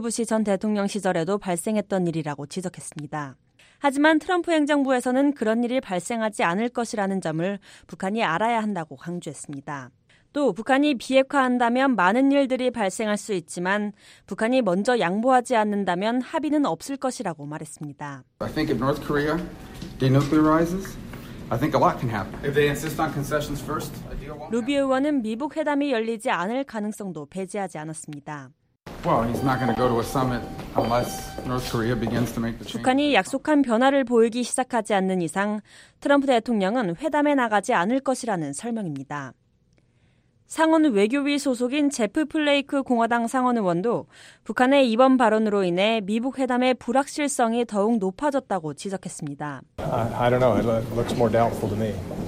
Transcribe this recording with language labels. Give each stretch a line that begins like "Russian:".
Korean: 부시 전 대통령 시절에도 발생했던 일이라고 지적했습니다. 하지만 트럼프 행정부에서는 그런 일이 발생하지 않을 것이라는 점을 북한이 알아야 한다고 강조했습니다. 또 북한이 비핵화한다면 많은 일들이 발생할 수 있지만 북한이 먼저 양보하지 않는다면 합의는 없을 것이라고 말했습니다.
English: I think if North Korea denuclearizes, I think a lot can happen. If they insist on concessions first, a deal won't happen.
Korean: 루비오 의원은 미북 회담이 열리지 않을 가능성도 배제하지 않았습니다.
English: Well, he's not going to go to a summit unless North Korea begins to make the change.
Korean: 북한이 약속한 변화를 보이기 시작하지 않는 이상 트럼프 대통령은 회담에 나가지 않을 것이라는 설명입니다. 상원 외교위 소속인 제프 플레이크 공화당 상원 의원도 북한의 이번 발언으로 인해 미북 회담의 불확실성이 더욱 높아졌다고 지적했습니다.
English: I don't know. It looks more doubtful to me.